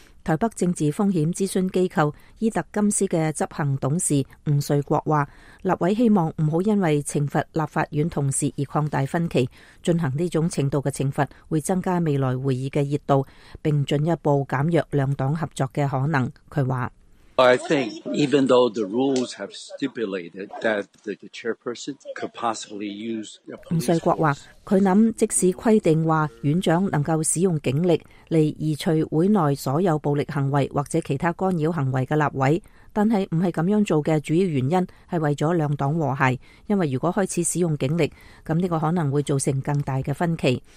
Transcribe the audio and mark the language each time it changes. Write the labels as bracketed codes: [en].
[zh] 台北政治风险咨询机构伊特金斯的执行董事吴瑞国说，立委希望不要因为惩罚立法院同事而扩大分歧，进行这种程度的惩罚会增加未来会议的热度，并进一步减弱两党合作的可能。他说， [en] I think even though the rules have stipulated that the chairperson could possibly use a police force. [zh] 吴瑞国说，他想即使规定说院长能够使用警力来移除会内所有暴力行为或者其他干扰行为的立委，但是不是这样做的主要原因是为了两党和谐，因为如果开始使用警力，这个可能会造成更大的分歧。